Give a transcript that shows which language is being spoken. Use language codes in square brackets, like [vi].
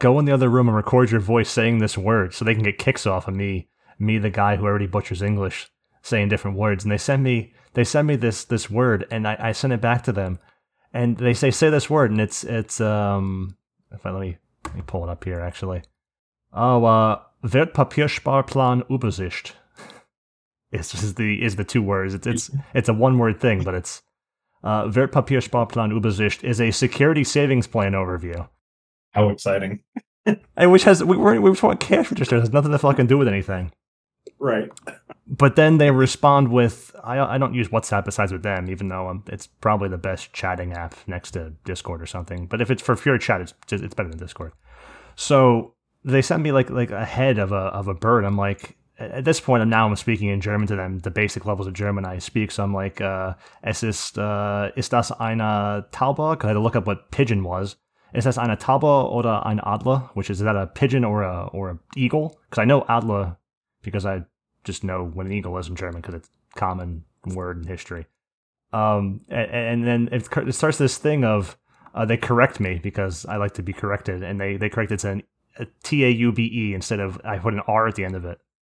[en] Go in the other room and record your voice saying this word so they can get kicks off of me, the guy who already butchers English, saying different words. And they send me this word, and I send it back to them. And they say this word, and it's let me pull it up here, actually. [de] Oh, Wertpapiersparplan Übersicht. [en] is the two words. It's a one word thing, but it's Wertpapiersparplan Übersicht is a security savings plan overview. How exciting. And which has we just want cash registers. It has nothing to fucking do with anything. Right. But then they respond with, I don't use WhatsApp besides with them, even though it's probably the best chatting app next to Discord or something. But if it's for pure chat, it's better than Discord. So they sent me like a head of a bird. I'm like, at this point, I'm speaking in German to them, the basic levels of German I speak. So I'm like, [de] ist das eine Taube? [en] Because I had to look up what pigeon was. [de] Is das eine Taube oder ein Adler? [en] Which is that a pigeon or a eagle? Because I know Adler because I just know what an eagle is in German because it's a common word in history. And then it starts this thing of they correct me because I like to be corrected, and they correct it to a T-A-U-B-E instead of I put an R at the end of it.